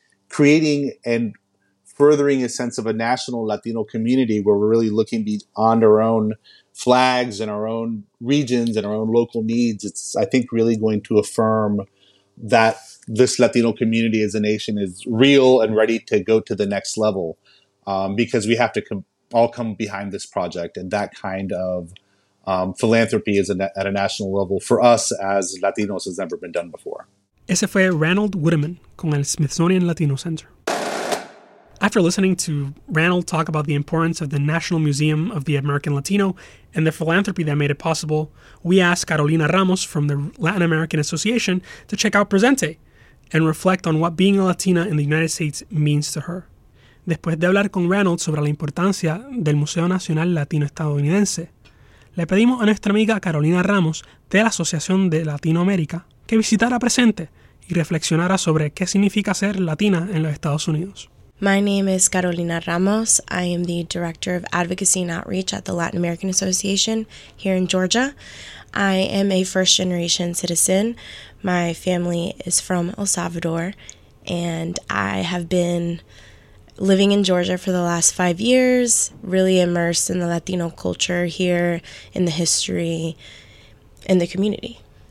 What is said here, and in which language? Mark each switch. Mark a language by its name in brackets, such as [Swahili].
[English] Creating and furthering a sense of a national Latino community where we're really looking beyond our own flags and our own regions and our own local needs, it's, I think, really going to affirm that this Latino community as a nation is real and ready to go to the next level, because we have to all come behind this project. And that kind of philanthropy is at a national level for us as Latinos has never been done before. [Spanish] Ese fue Ranald Woodeman con el Smithsonian Latino Center. [English] After listening to Ranald talk about the importance of the National Museum of the American Latino and the philanthropy that made it possible, we asked Carolina Ramos from the Latin American Association to check out Presente, and reflect on what being a Latina in the United States means to her. [Spanish] Después de hablar con Reynolds sobre la importancia del Museo Nacional Latino Estadounidense, le pedimos a nuestra amiga Carolina Ramos de la Asociación de Latinoamérica que visitara presente y reflexionara sobre qué significa ser latina en los Estados Unidos. [English] My name is Carolina Ramos. I am the Director of Advocacy and Outreach at the Latin American Association here in Georgia. I am a first-generation citizen. My family is from El Salvador, and I have been living in Georgia for the last 5 years, really immersed in the Latino culture here, in the history, in the community.